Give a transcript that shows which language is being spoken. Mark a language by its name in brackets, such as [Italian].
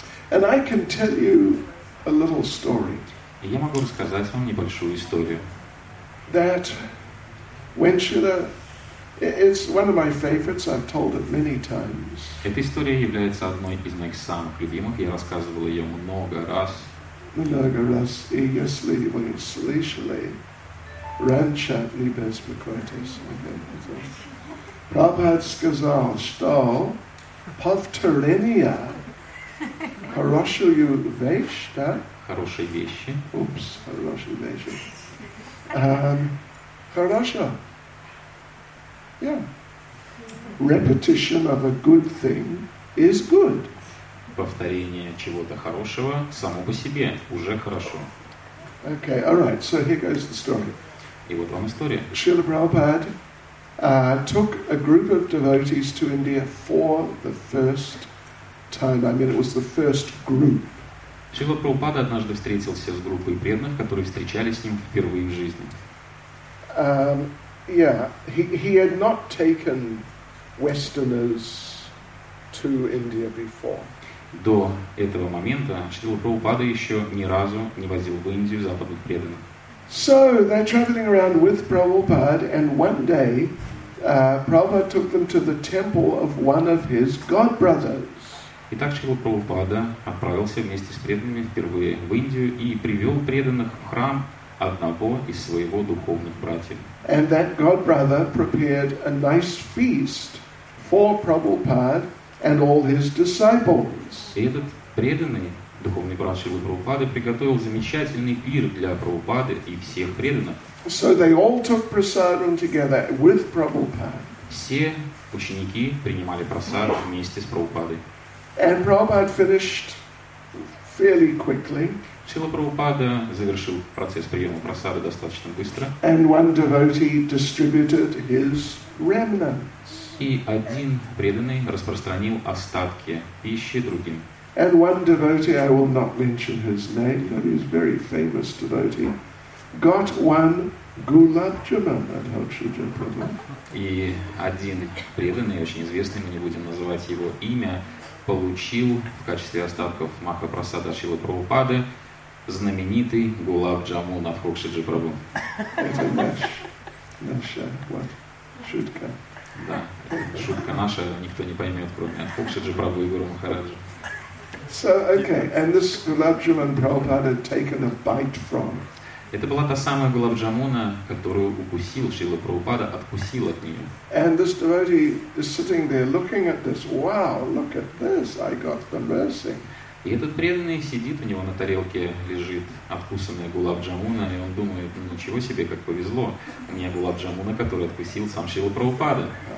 [English] And I can tell you a little story. [Russian] Я могу рассказать вам небольшую историю. [English] That when Shila, it's one of my favorites. I've told it many times. [Russian] Эта история является одной из моих самых любимых. Я рассказывал ее много раз. Много раз. И если вы слышали, раньше не беспокойтесь. Прабхупад сказал, что повторение хорошую вещь, да? Хорошие вещи. Упс, хорошие вещи. Хорошо. [English] Yeah. Repetition of a good thing is good. [Russian] Повторение чего-то хорошего само по себе уже хорошо. [English] Okay, all right. So here goes the story. [Russian] И вот вам история. [English] Srila Prabhupada took a group of devotees to India for the first time. I mean, it was the first group. [Russian] Шрила Прабхупада однажды встретился с группой преданных, которые встречались с ним впервые в жизни. [English] He had not taken westerners to India before. [Russian] До этого момента Шрила Прабхупада еще ни разу не возил в Индию западных преданных. [English] So they're traveling around with Prabhupada, and one day Prabhupada took them to the temple of one of his god brothers. [Russian] Итак, Шрила Прабхупада отправился вместе с преданными впервые в Индию и привел преданных в храм одного из своего духовных братьев. [English] And that god brother prepared a nice feast for Prabhupada and all his disciples. [Russian] И этот преданный духовный брат Шрила Прабхупады приготовил замечательный пир для Прабхупады и всех преданных. [English] So they all took prasadam together with Prabhupada. [Russian] Все ученики принимали прасад вместе с Прабхупадой. [English] And Prabhupada finished fairly quickly. [Russian] Шрила Прабхупада завершил процесс приема прасады достаточно быстро. [English] And one devotee distributed his remnants. [Russian] И один преданный распространил остатки пищи другим. [English] And one devotee, I will not mention his name, but he's a very famous devotee, got one gulab jamun at Harshajan Prabhu. [Russian] И один преданный, очень известный, мы не будем называть его имя, получил в качестве остатков Махапрасада Шрилы Прабхупады знаменитый гулаб джаму на Фрукшиджи Прабу. Это наша шутка. Да, шутка наша, никто не поймет, кроме Фрукшиджи Прабу и Гуру Махараджи. [English] So, okay, and this gulab jamun Prabhupada had taken a bite from. [Russian] Это была та самая гулаб джамуна, которую укусил Шрила Прабхупада, откусил от нее. [English] And this devotee is sitting there looking at this. Wow, look at this! I got the mercy. [Russian] И этот преданный сидит, у него на тарелке лежит откусанная гулаб джамуна, и он думает: ну ничего себе, как повезло, у меня гулаб джамуна, который откусил сам Шрила Прабхупада.